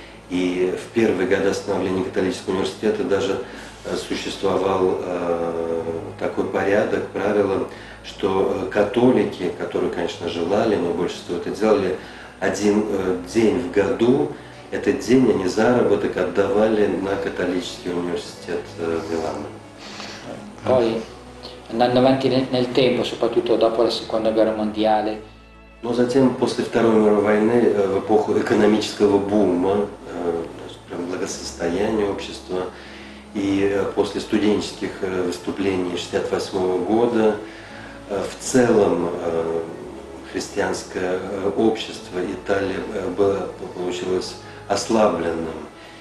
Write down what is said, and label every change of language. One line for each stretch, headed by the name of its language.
Russian: И в первые годы становления католического университета даже существовал такой порядок, правило, что католики, которые, конечно, желали, но большинство это делали, один день в году, этот день они заработок отдавали на католический университет Милана.
Italian: Poi andando avanti nel tempo, soprattutto dopo la Seconda Guerra Mondiale.
Russian: Но затем после Второй мировой войны, в эпоху экономического бума, прям благосостояние общества, и после студенческих выступлений 68 года, в целом христианское общество Италии получилось ослабленным.